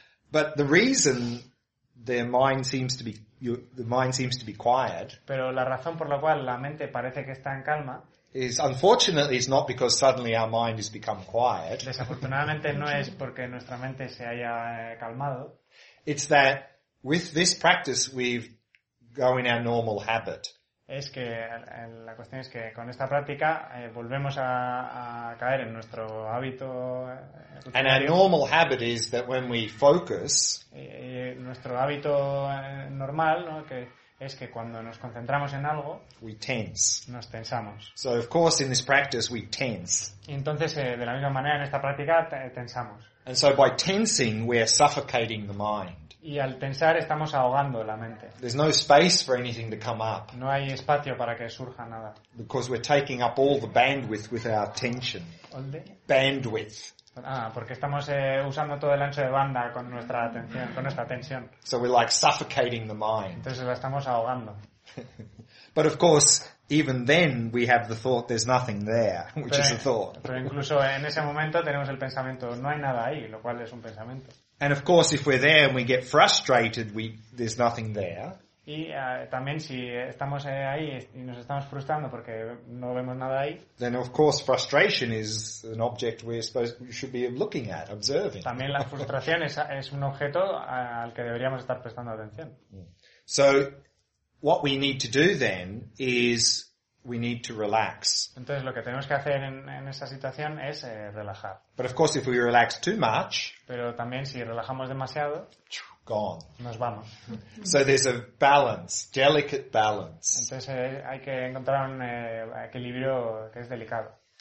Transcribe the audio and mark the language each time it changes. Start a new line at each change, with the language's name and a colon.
English: But the reason the mind seems to be quiet.
Spanish: Pero la razón por la cual la mente parece que está en calma.
English: Is unfortunately it's not because suddenly our mind has become quiet.
Spanish: Desafortunadamente no es porque nuestra mente se haya calmado.
English: It's that with this practice we've going our normal habit.
Spanish: Es que la cuestión es que con esta práctica volvemos a caer en nuestro hábito.
English: And our normal habit is that when we focus.
Spanish: Nuestro hábito normal, ¿no? Que es que cuando nos concentramos en algo.
English: We tense.
Spanish: Nos tensamos.
English: So of course in this practice we tense.
Spanish: Y entonces de la misma manera en esta práctica tensamos.
English: And so by tensing we are suffocating the mind.
Spanish: Y al tensar estamos ahogando la mente.
English: There's no space for anything to come up.
Spanish: No hay espacio para que surja nada.
English: Because we're taking up all the bandwidth with our tension. Bandwidth.
Spanish: Porque estamos usando todo el ancho de banda con nuestra atención, con nuestra tensión.
English: So we're like suffocating the mind.
Spanish: Entonces la estamos ahogando.
English: But of course, even then we have the thought there's nothing there, which is a thought.
Spanish: Pero incluso en ese momento tenemos el pensamiento no hay nada ahí, lo cual es un pensamiento.
English: And of course, if we're there and we get frustrated, there's nothing there.
Spanish: Y también si estamos ahí y nos estamos frustrando porque no vemos nada ahí.
English: Then of course, frustration is an object we should be looking at, observing.
Spanish: También la frustración es un objeto al que deberíamos estar prestando atención.
English: So, what we need to do then is we need to relax.
Spanish: Entonces lo que tenemos que hacer en esa situación es relajar.
English: But of course if we relax too much,
Spanish: pero también si relajamos demasiado,
English: gone.
Spanish: Nos vamos.
English: So there's a balance, delicate balance.
Spanish: Entonces hay que encontrar un equilibrio que es delicado.